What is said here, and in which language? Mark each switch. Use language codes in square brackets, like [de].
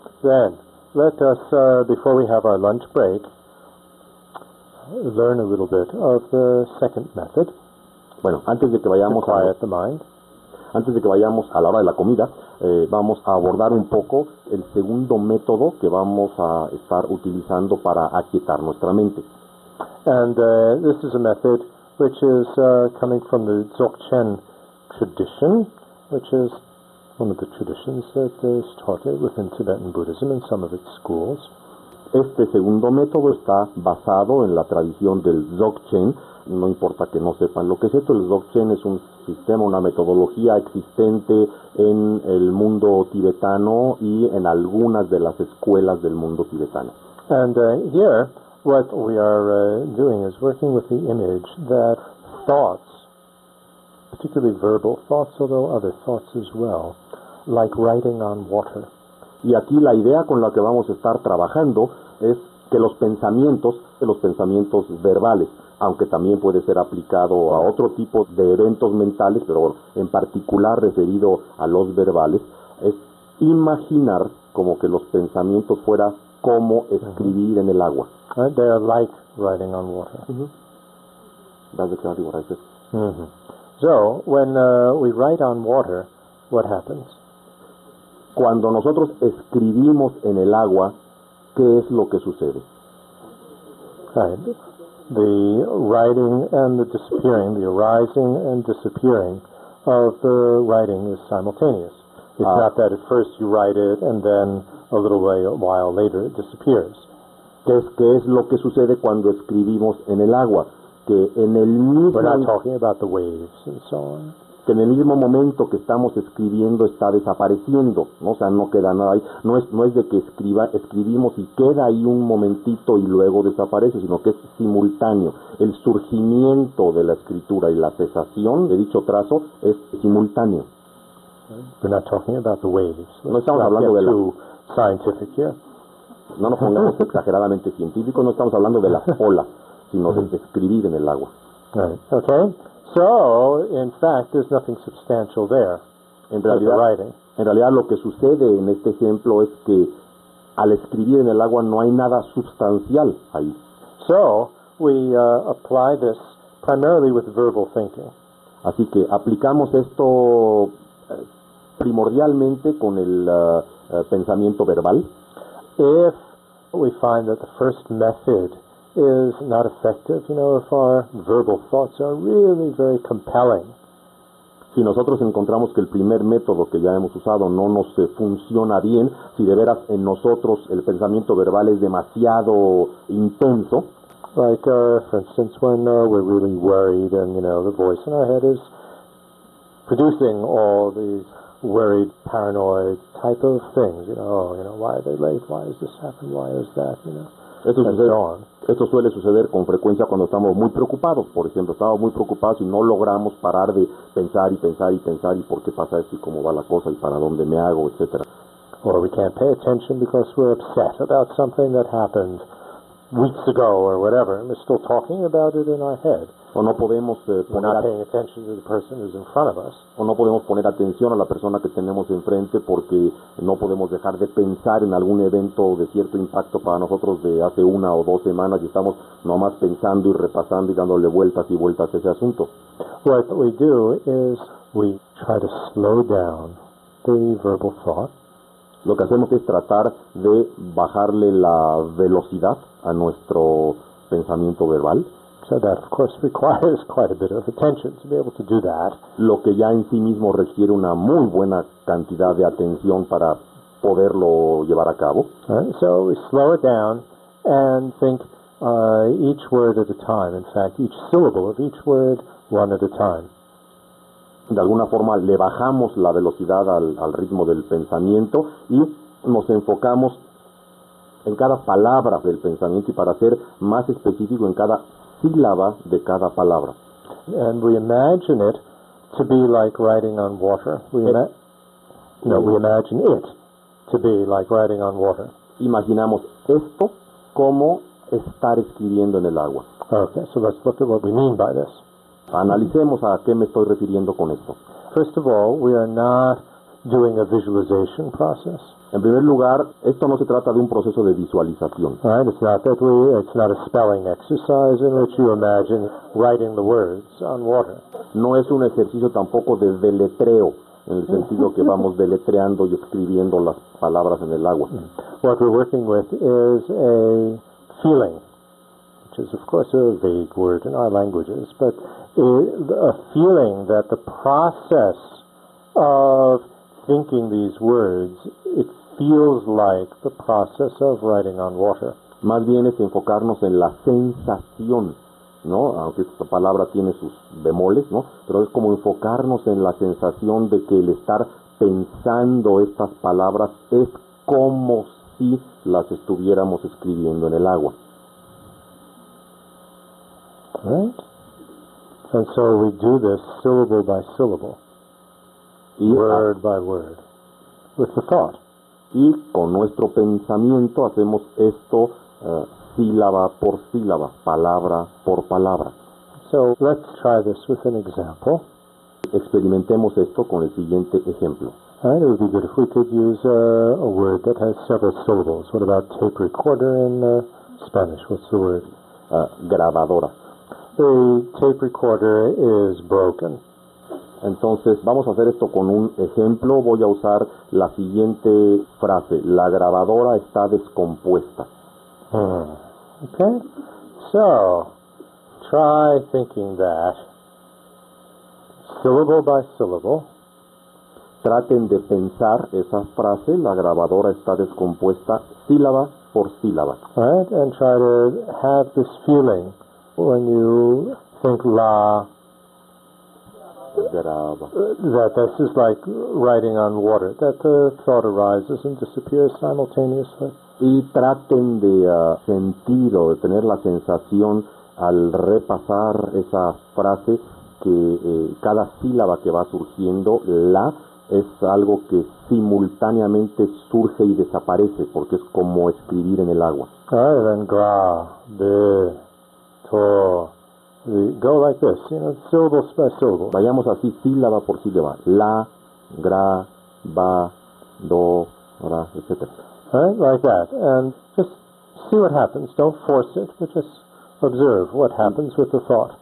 [en] Then, let us, before we have our lunch break, learn a little bit of the second method. [es] Bueno, antes de que vayamos a la hora de la comida, vamos a abordar un poco el segundo método que vamos a estar utilizando para aquietar nuestra mente. [en] And this is a method which is coming from the Dzogchen tradition, which is one of the traditions that is taught within Tibetan Buddhism and some of its schools. [es] Este segundo método está basado en la tradición del Dzogchen, no importa que no sepan lo que es esto. El Dzogchen es un sistema, una metodología existente en el mundo tibetano y en algunas de las escuelas del mundo tibetano. [en] And here, what we are doing is working with the image that thoughts, particularly verbal thoughts, although other thoughts as well, like writing on water. [es] Y aquí la idea con la que vamos a estar trabajando es que los pensamientos verbales, aunque también puede ser aplicado a otro tipo de eventos mentales, pero en particular referido a los verbales, es imaginar como que los pensamientos fuera como escribir en el agua. [en] Right, they are like writing on water. Mm-hmm. That's exactly what I said. Mm-hmm. So, when we write on water, what happens? [es] Cuando nosotros escribimos en el agua, ¿qué es lo que sucede? [en] Right. The writing and the disappearing, the arising and disappearing of the writing is simultaneous. It's not that at first you write it and then a little way, a while later it disappears. [es] ¿Qué es lo que sucede cuando escribimos en el agua? Que en el mismo... [en] We're not talking about the waves and so on. [es] Que en el mismo momento que estamos escribiendo está desapareciendo, ¿no? O sea, no queda nada ahí. No es de que escribimos y queda ahí un momentito y luego desaparece, sino que es simultáneo. El surgimiento de la escritura y la cesación de dicho trazo es simultáneo. [en] We're not talking about the waves. [es] No estamos hablando de la... [en] scientific, yeah. [es] No nos pongamos exageradamente científicos, no estamos hablando de las olas, sino de escribir en el agua. [en] Right. Okay. So, in fact, there's nothing substantial there. [es] En realidad, lo que sucede en este ejemplo es que al escribir en el agua no hay nada sustancial ahí. [en] So, we apply this primarily with verbal thinking. [es] Así que aplicamos esto primordialmente con el pensamiento verbal. [en] If we find that the first method is not effective, you know, if our verbal thoughts are really very compelling. [es] Si nosotros encontramos que el primer método que ya hemos usado no nos funciona bien, si de veras en nosotros el pensamiento verbal es demasiado intenso. [en] Like, for instance, when we're really worried and, you know, the voice in our head is producing all these worried, paranoid type of things. You know, why are they late? Why does this happen? Why is that, you know? [es] Esto suele suceder con frecuencia cuando estamos muy preocupados. Por ejemplo, estamos muy preocupados y no logramos parar de pensar y pensar y pensar y por qué pasa esto y cómo va la cosa y para dónde me hago, etc. [en] Or we can't pay attention because we're upset about something that happened weeks ago or whatever and we're still talking about it in our head. [es] O no podemos poner atención a la persona que tenemos enfrente porque no podemos dejar de pensar en algún evento de cierto impacto para nosotros de hace una o dos semanas y estamos nomás pensando y repasando y dándole vueltas y vueltas a ese asunto. [en] What we do is we try to slow down the verbal thought. [es] Lo que hacemos es tratar de bajarle la velocidad a nuestro pensamiento verbal. [en] So that, of course, requires quite a bit of attention to be able to do that. [es] Lo que ya en sí mismo requiere una muy buena cantidad de atención para poderlo llevar a cabo. [en] So we slow it down and think each word at a time. In fact, each syllable of each word, one at a time. [es] De alguna forma le bajamos la velocidad al ritmo del pensamiento y nos enfocamos en cada palabra del pensamiento y para ser más específico en cada sílaba de cada palabra. [en] And we imagine it to be like writing on water. We imagine it to be like writing on water. [es] Imaginamos esto como estar escribiendo en el agua. [en] Okay, so let's look at what we mean by this. [es] Analicemos a qué me estoy refiriendo con esto. [en] First of all, we are not doing a visualization process. [es] En primer lugar, esto no se trata de un proceso de visualización. [en] Right, it's not a spelling exercise in which you imagine writing the words on water. [es] No es un ejercicio tampoco de deletreo, en el sentido que vamos deletreando y escribiendo las palabras en el agua. [en] What we're working with is a feeling, which is of course a vague word in our languages, but a feeling that the process of thinking these words, it feels like the process of writing on water. [es] Más bien es enfocarnos en la sensación ¿no? Aunque esta palabra tiene sus bemoles, ¿no? Pero es como enfocarnos en la sensación de que el estar pensando estas palabras es como si las estuviéramos escribiendo en el agua. [en] Right? And so we do this syllable by syllable, word by word, with the thought. [es] Y con nuestro pensamiento hacemos esto sílaba por sílaba, palabra por palabra. [en] So let's try this with an example. [es] Experimentemos esto con el siguiente ejemplo. [en] Right, it would be good if we could use a word that has several syllables. What about tape recorder in Spanish? What's the word? [es] Grabadora. [en] The tape recorder is broken. [es] Entonces, vamos a hacer esto con un ejemplo. Voy a usar la siguiente frase. La grabadora está descompuesta. [en] Okay. So, try thinking that. Syllable by syllable. [es] Traten de pensar esa frase, la grabadora está descompuesta, sílaba por sílaba. [en] Right, and try to have this feeling when you think la [es] graba. [en] That this is like writing on water, that the thought arises and disappears simultaneously. [es] Y traten de sentir o de tener la sensación al repasar esa frase que cada sílaba que va surgiendo, la, es algo que simultáneamente surge y desaparece, porque es como escribir en el agua. [en] All right, then gra, de, to, de, go like this, you know, syllables by syllables. [es] Vayamos así, sílaba por sílaba, la, gra, ba, do, ra, etc. [en] All right, like that, and just see what happens, don't force it, but just observe what happens with the thought.